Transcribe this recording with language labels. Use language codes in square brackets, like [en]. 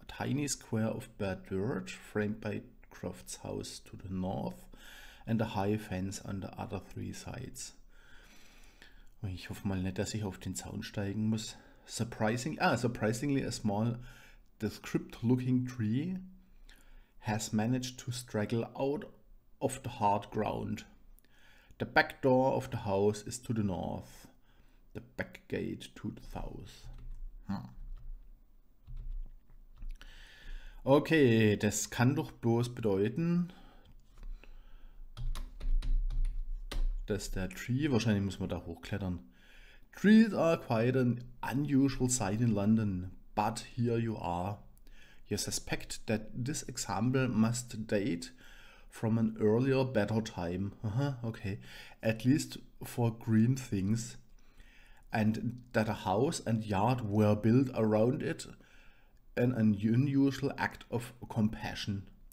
[en] A tiny square of bare dirt, framed by Croft's house to the north and a high fence on the other three sides. [de] Ich hoffe mal nicht, dass ich auf den Zaun steigen muss. [en] Surprisingly, a small decrepit-looking tree has managed to straggle out of the hard ground. The back door of the house is to the north. The back gate to the south. [de] Okay, das kann doch bloß bedeuten, dass der Tree, wahrscheinlich muss man da hochklettern. [en] Trees are quite an unusual sight in London, but here you are. You suspect that this example must date from an earlier, better time. Okay. At least for green things. And that a house and yard were built around it in an unusual act of compassion.